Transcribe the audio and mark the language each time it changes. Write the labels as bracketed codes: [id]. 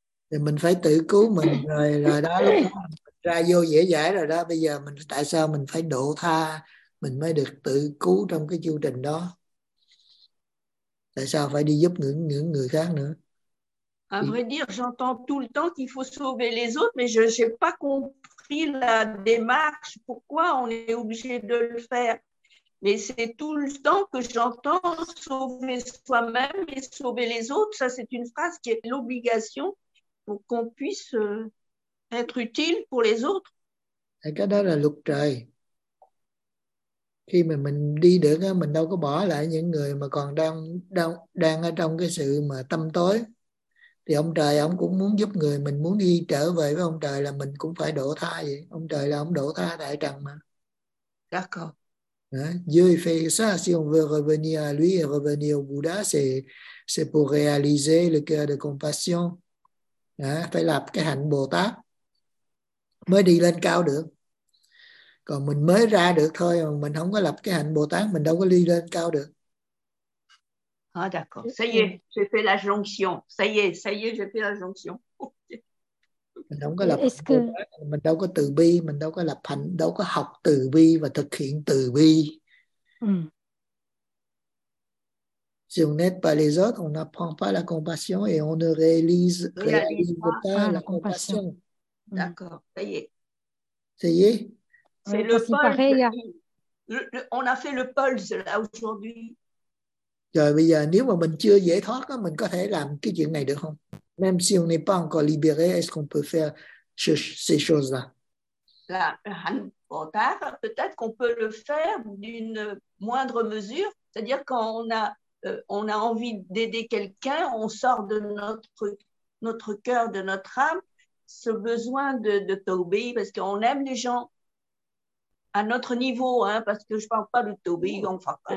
[vi] Thì mình phải tự cứu mình rồi rồi đó, lúc đó ra vô dễ dãi rồi đó. Bây giờ mình tại sao mình phải độ tha mình mới được tự cứu trong cái chương trình đó, tại sao phải đi giúp những người khác nữa? [fr] À vrai dire, j'entends tout le temps qu'il faut sauver les autres, mais je n'ai pas compris la démarche, pourquoi on est obligé de le faire. Mais c'est tout le temps que j'entends sauver soi-même et sauver les autres. Ça, c'est une phrase qui est l'obligation pour qu'on puisse être utile pour les autres. [vi] Et cái đó là luật trời. Khi mà mình đi được á, mình đâu có bỏ lại những người mà còn đang ở trong cái sự mà tâm tối. Thì ông trời ông cũng muốn giúp người mình muốn đi trở về với ông trời là mình cũng phải độ tha vậy. Ông trời là ông độ tha đại trần mà. [fr] D'accord. Dieu fait ça, si on veut revenir à lui et revenir au Bouddha, c'est pour réaliser le cœur de compassion. [vi] Phải lập cái hạnh Bồ Tát mới đi lên cao được. Còn mình mới ra được thôi, mà mình không có lập cái hạnh Bồ Tát, mình đâu có đi lên cao được. [fr] Ah, d'accord. Ça y est, j'ai fait la jonction. Ça y est, j'ai fait la jonction. [vi] Mình không có lập, mình đâu có từ bi, mình đâu có lập hạnh, đâu có học từ bi và thực hiện từ bi. [fr] Si on n'aide pas les autres, on n'apprend pas la compassion et on ne réalise pas la compassion. D'accord, ça y est. C'est le pulse. On a fait le pulse là aujourd'hui. [vi] Rồi bây giờ nếu mà mình chưa giải thoát á, mình có thể làm cái chuyện này được không? [fr] Même si on n'est pas encore libéré, est-ce qu'on peut faire ces choses-là? La hạnh Bồ Tát, peut-être qu'on peut le faire d'une moindre mesure. C'est-à-dire quand on a envie d'aider quelqu'un, on sort de notre cœur, de notre âme, ce besoin de t'obéir parce qu'on aime les gens à notre niveau, hein, parce que je ne parle pas de t'obéir, enfin,